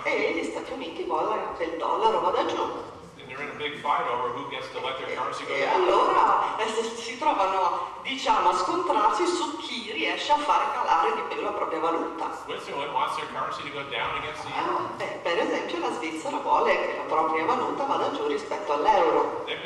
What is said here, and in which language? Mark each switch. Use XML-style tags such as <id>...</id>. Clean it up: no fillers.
<it>E gli Stati Uniti vogliono che il dollaro vada giù.</it> <en>And they're in a big fight over who gets to let their currency go down.</en> <it>E allora si trovano, diciamo, a scontrarsi su chi riesce a fare calare di più la propria valuta.</it> <en>Switzerland wants their currency to go down against the euro.</en> <it>Per esempio, la Svizzera vuole che la propria valuta vada giù rispetto all'euro.</it>